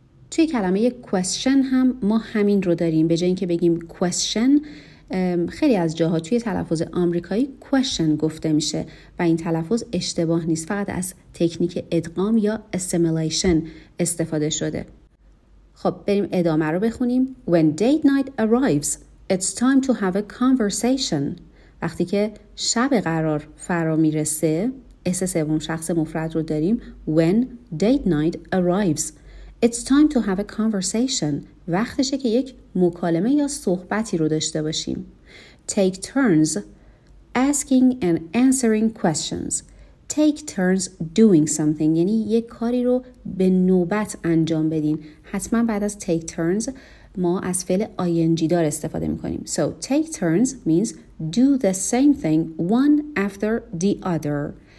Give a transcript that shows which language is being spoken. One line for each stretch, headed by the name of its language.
Persian: توی کلمه question هم ما همین رو داریم. به جای اینکه بگیم question, خیلی از جاها توی تلفظ آمریکایی question گفته میشه و این تلفظ اشتباه نیست, فقط از تکنیک ادغام یا assimilation استفاده شده. خب بریم ادامه رو بخونیم.
English: When date night arrives, it's time to have a conversation.
Persian: وقتی که شب قرار فرا میرسه, اس سوم شخص مفرد رو داریم.
English: When date night arrives, it's time to have a conversation.
Persian: وقتشه که یک مکالمه یا صحبتی رو داشته باشیم.
English: Take turns asking and answering questions. Take turns doing something
Persian: یعنی یک کاری رو به نوبت انجام بدین. حتما بعد از take turns ما از فعل ing دار استفاده میکنیم.
English: So take turns means do the same thing one after the other.